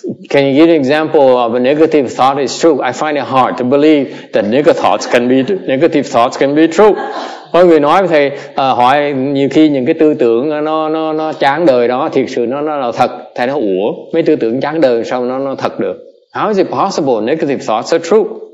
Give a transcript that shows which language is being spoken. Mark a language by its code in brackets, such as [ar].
[en] Can you give an example of a negative thought? It's true. I find it hard to believe that negative thoughts can be true. [vi] Mọi người nói với thầy, hỏi nhiều khi những cái tư tưởng nó chán đời đó, thiệt sự nó là thật. Thầy nói, ủa, mấy tư tưởng chán đời sao nó thật được? [en] How is it possible negative thoughts are true?